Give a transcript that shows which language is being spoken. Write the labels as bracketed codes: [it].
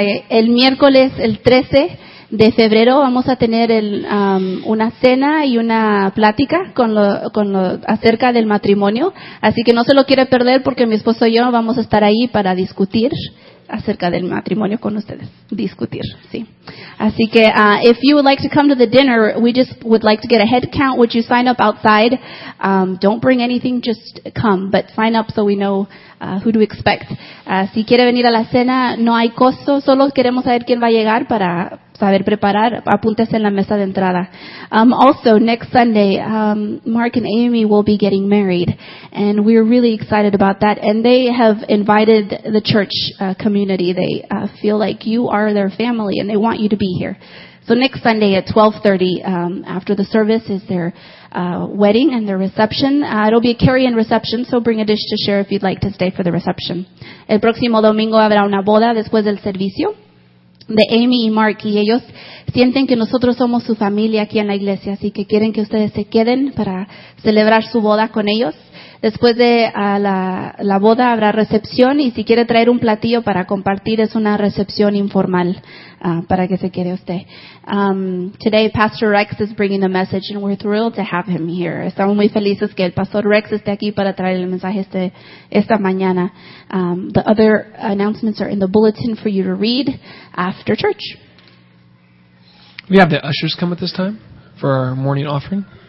[es] El miércoles, el 13 de febrero, vamos a tener una cena y una plática con lo acerca del matrimonio. Así que no se lo quiere perder, porque mi esposo y yo vamos a estar ahí para discutir acerca del matrimonio con ustedes, discutir, sí. Así que, [en] if you would like to come to the dinner, we just would like to get a head count. Would you sign up outside? Don't bring anything, just come, but sign up so we know who to expect. [es] Si quiere venir a la cena, no hay costo, solo queremos saber quién va a llegar para saber preparar. Apúntese en la mesa de entrada. [en] Also, next Sunday, Mark and Amy will be getting married, and we're really excited about that. And they have invited the church community. They feel like you are their family, and they want you to be here. So next Sunday at 12:30, after the service, is their wedding and their reception. It'll be a carry-in reception, so bring a dish to share if you'd like to stay for the reception. [es] El próximo domingo habrá una boda después del servicio de Amy y Mark, y ellos sienten que nosotros somos su familia aquí en la iglesia, así que quieren que ustedes se queden para celebrar su boda con ellos. Después de la boda habrá recepción, y si quiere traer un platillo para compartir, es una recepción informal para que se quede usted. [en] Today, Pastor Rex is bringing the message, and we're thrilled to have him here. [es] Estamos muy felices que el Pastor Rex esté aquí para traer el mensaje esta mañana. [en] The other announcements are in the bulletin for you to read after church. We have the ushers come at this time for our morning offering.